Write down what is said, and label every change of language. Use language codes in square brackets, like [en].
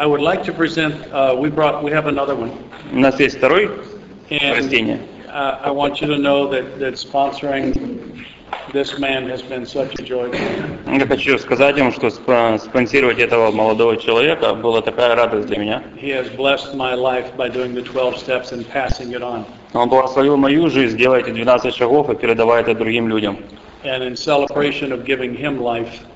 [en] I would like to present, we have another one. [ru] У нас есть второй растение. [en] I want you to know that sponsoring this man has been such a joy. [ru] Я хочу сказать ему, что спонсировать этого молодого человека была такая радость для меня. [en] He has blessed my life by doing the 12 steps and passing it on. [ru] Он благословил мою жизнь, делая эти 12 шагов и передавая это другим людям. [en] And in celebration of giving him life.